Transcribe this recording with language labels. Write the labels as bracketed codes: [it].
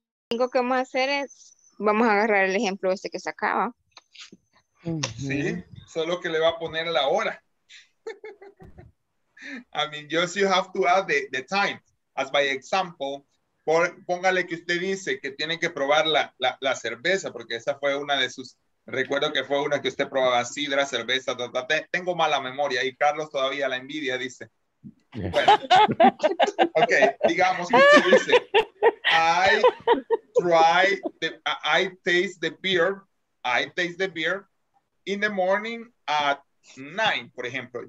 [es] Lo que vamos a hacer es, vamos a agarrar el ejemplo este que sacaba. Sí, solo que le va a poner la hora. [en] I mean, just you have to add the time. As by example, [es] póngale que usted dice que tiene que probar la cerveza, porque esa fue una de sus, recuerdo que fue una que usted probaba, sidra, cerveza, tengo mala memoria y Carlos todavía la envidia, dice. [en] Yeah. Bueno. Ok, [es] digamos que usted dice, [en] I taste the beer in the morning at 9, [es] por ejemplo.